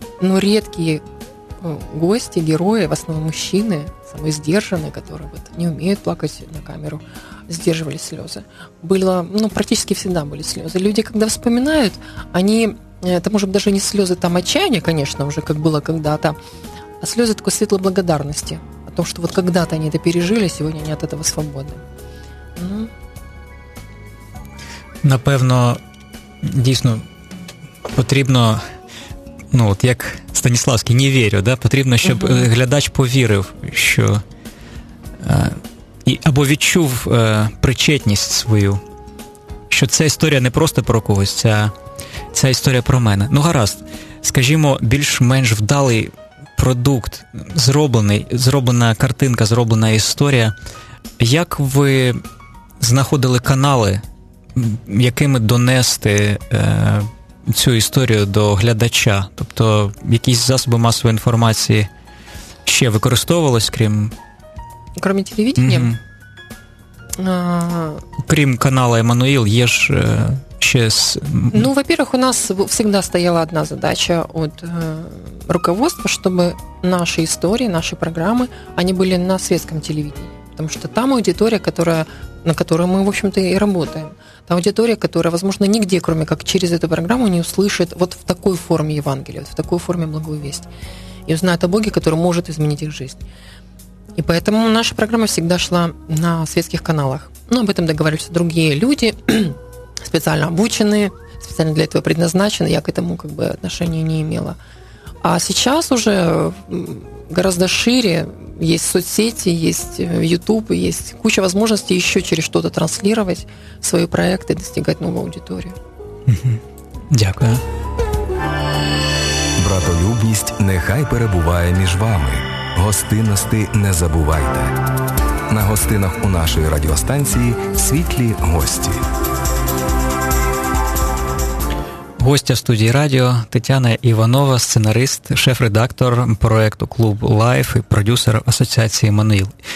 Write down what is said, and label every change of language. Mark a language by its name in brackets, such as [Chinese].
[Russian] Но редкие гости, герои, в основном мужчины, самые сдержанные, которые вот не умеют плакать на камеру, сдерживали слезы. Было, ну, практически всегда были слезы. Люди, когда вспоминают, они, это может быть даже не слезы там отчаяния, конечно, уже как было когда-то, а слезы такой светлой благодарности о том, что вот когда-то они это пережили, сегодня они от этого свободны. Ну. [Ukrainian] Напевно, дійсно, потрібно. Ну, от як Станіславський, не вірю, да? Потрібно, щоб глядач повірив, що або відчув причетність свою, що ця історія не просто про когось, ця історія про мене. Ну, гаразд, скажімо, більш-менш вдалий продукт, зроблена картинка, зроблена історія. Як ви знаходили канали, якими донести цю історію до глядача? Тобто, якісь засоби масової інформації ще використовувалось, крім... Крім телевидення? Mm-hmm. Крім каналу «Еммануїл», є ж ще... Ну, [Russian] во-первых, [Ukrainian] у нас завжди стояла одна задача від [Russian] руководства, [Ukrainian] щоб наші історії, наші програми, вони були на світському телевиденні. [Russian] потому что там аудитория, которая, на которой мы, в общем-то, и работаем. Та аудитория, которая, возможно, нигде, кроме как через эту программу, не услышит вот в такой форме Евангелия, вот в такой форме Благую Весть. И узнает о Боге, который может изменить их жизнь. И поэтому наша программа всегда шла на светских каналах. Но об этом договаривались другие люди, специально обученные, специально для этого предназначены. Я к этому как бы отношения не имела. А сейчас уже гораздо шире. Есть соцсети, есть YouTube, есть куча возможностей еще через что-то транслировать свои проекты, достигать новую аудиторию. [Ukrainian] Дякую. Братолюбність нехай перебуває між вами. Гостинності не забувайте. На гостинах у нашої радіостанції «Світлі гості». Гостя в студії радіо – Тетяна Іванова, сценарист, шеф-редактор проєкту «Клуб Лайф» і продюсер Асоціації «Еммануїл».